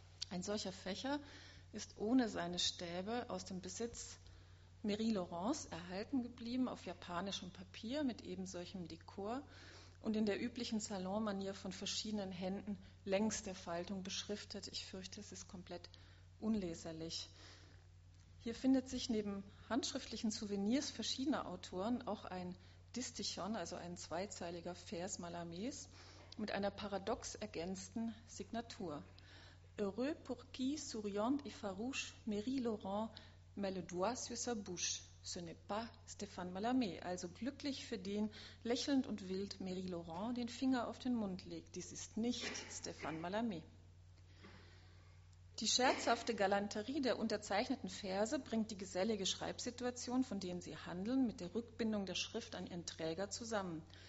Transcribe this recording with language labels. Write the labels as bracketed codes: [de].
[de] Ein solcher Fächer ist ohne seine Stäbe aus dem Besitz Marie Laurence erhalten geblieben, auf japanischem Papier mit eben solchem Dekor und in der üblichen Salonmanier von verschiedenen Händen längs der Faltung beschriftet. Ich fürchte, es ist komplett unleserlich. Hier findet sich neben handschriftlichen Souvenirs verschiedener Autoren auch ein Distichon, also ein zweizeiliger Vers Mallarmés, mit einer paradox ergänzten Signatur. [fr] Heureux pour qui, souriante et farouche, Marie Laurent met le doigt sur sa bouche. Ce n'est pas Stéphane Mallarmé. [de] Also glücklich für den, lächelnd und wild, Marie Laurent den Finger auf den Mund legt. Dies ist nicht Stéphane Mallarmé. Die scherzhafte Galanterie der unterzeichneten Verse bringt die gesellige Schreibsituation, von denen sie handeln, mit der Rückbindung der Schrift an ihren Träger zusammen.